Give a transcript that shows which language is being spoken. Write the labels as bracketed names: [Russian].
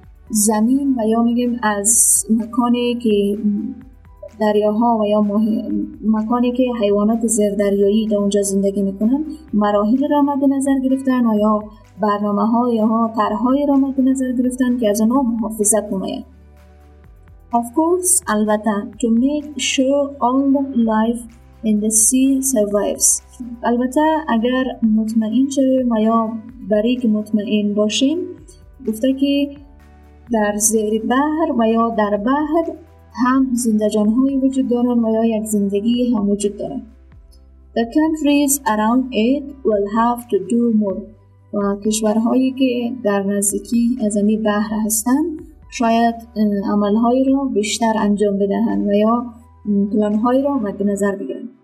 [Persian] زمین و یا میگیم از مکانی که دریاها و یا مکانی که حیوانات زیردریایی در اونجا زندگی میکنن مراحل را مد نظر گرفتن و یا برنامه ها یا طرح‌های را مد نظر گرفتن که از اونها محافظت نماید. [English] Of course, [Persian] البته [English] to make sure all the life in the sea survives. [Persian] البته اگر مطمئن شویم یا برای که مطمئن باشیم، گفته که در زیر بحر و یا در بحر هم زندگان هایی وجود دارن و یا یک زندگی هم وجود دارن. [English] The countries around it will have to do more. [Persian] و کشورهایی که در نزدیکی از امی بحر هستن شاید عملهایی را بیشتر انجام بدهن و یا پلانهایی را مد نظر بگیرن.